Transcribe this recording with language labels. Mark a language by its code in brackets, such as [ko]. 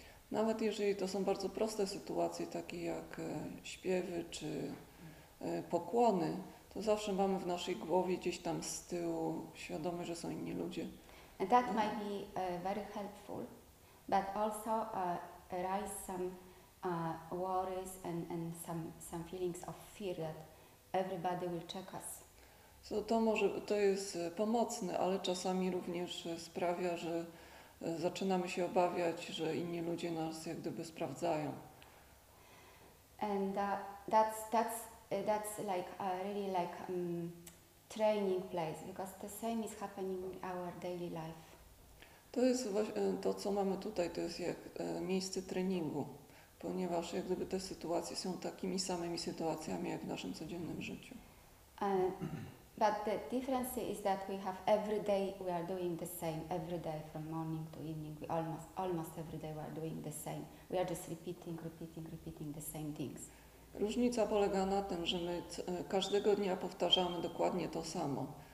[pl] Nawet jeżeli to są bardzo proste sytuacje, takie jak śpiewy czy pokłony, to zawsze mamy w naszej głowie gdzieś tam z tyłu świadomość, że są inni ludzie. [en] And that might be very helpful, but also arise some worries and some feelings of fear that everybody will check us. [pl] So to może to jest pomocne, ale czasami również sprawia, że zaczynamy się obawiać, że inni ludzie nas jak gdyby sprawdzają. [en] And that's like a really like training place, because the same is happening in our daily life. [pl] To jest właśnie to, co mamy tutaj, to jest jak miejsce treningu, ponieważ jak gdyby te sytuacje są takimi samymi sytuacjami jak w naszym codziennym życiu. [en] But the difference is that we have every day we are doing the same every day from morning to evening. We almost every day we are doing the same. We are just repeating the same things. [pl] Różnica polega na tym, że my każdego dnia powtarzamy dokładnie to samo.